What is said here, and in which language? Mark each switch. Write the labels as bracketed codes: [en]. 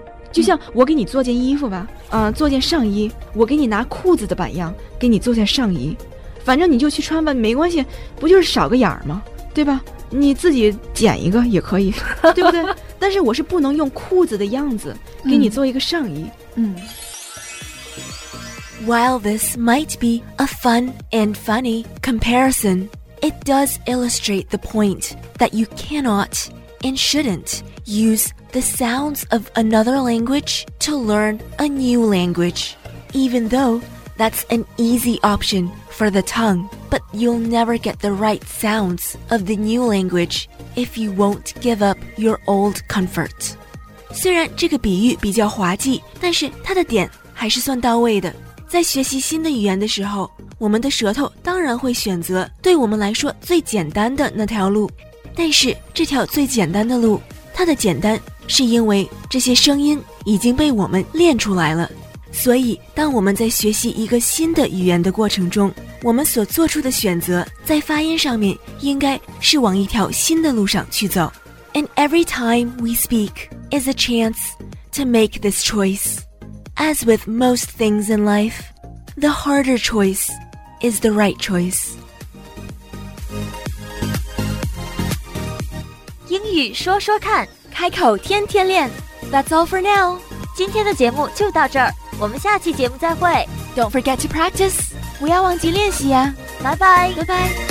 [zh] 就像我给你做件衣服吧，做件上衣，我给你拿裤子的版样给你做件上衣，反正你就去穿吧，没关系，不就是少个眼儿吗？对吧？你自己剪一个也可以，对不对？但是我是不能用裤子的样子给你做一个上衣。 [en] While this might be a fun and funny comparison, it does illustrate the point that you cannot and shouldn't use the sounds of another language to learn a new language, even though that's an easy option for the tongue. But you'll never get the right sounds of the new language if you won't give up your old comfort. [zh] 虽然这个比喻比较滑稽，但是它的点还是算到位的。在学习新的语言的时候，我们的舌头当然会选择对我们来说最简单的那条路，但是这条最简单的路，它的简单是因为这些声音已经被我们练出来了。所以当我们在学习一个新的语言的过程中，我们所做出的选择在发音上面应该是往一条新的路上去走。 [en] And every time we speak is a chance to make this choice. As with most things in life, the harder choice is the right choice. [zh] 英语说说看，开口天天练。 [en] That's all for now. [zh] 今天的节目就到这儿，我们下期节目再会。 [en] Don't forget to practice. [zh] 不要忘记练习呀。拜拜。拜拜。